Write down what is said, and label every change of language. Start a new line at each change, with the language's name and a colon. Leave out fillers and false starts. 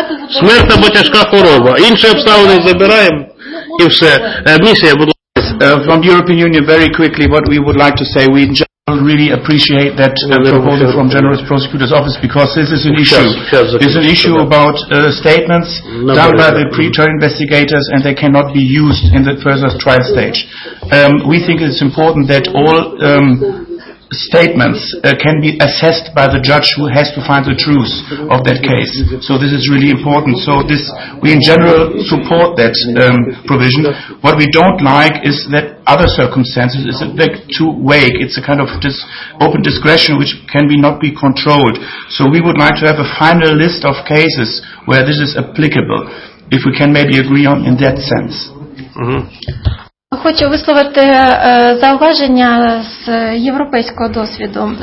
Ukrainian: Смерть або тяжка хвороба. Інші обставини забираємо і все. Місія, будь ласка.
English: From European Union, very quickly, what we would like to say, we in general really appreciate that proposal from General Prosecutor's Office, because this is an issue. This is an issue about statements done by the pre-trial investigators, and they cannot be used in the further trial stage. We think it's important that all statements can be assessed by the judge who has to find the truth of that case. So this is really important. So this, we in general support that provision. What we don't like is that other circumstances is a bit too vague. It's a kind of open discretion which can not be controlled. So we would like to have a final list of cases where this is applicable, if we can maybe agree on in that sense. Mm-hmm.
Ukrainian: Хочу висловити зауваження з європейського досвіду.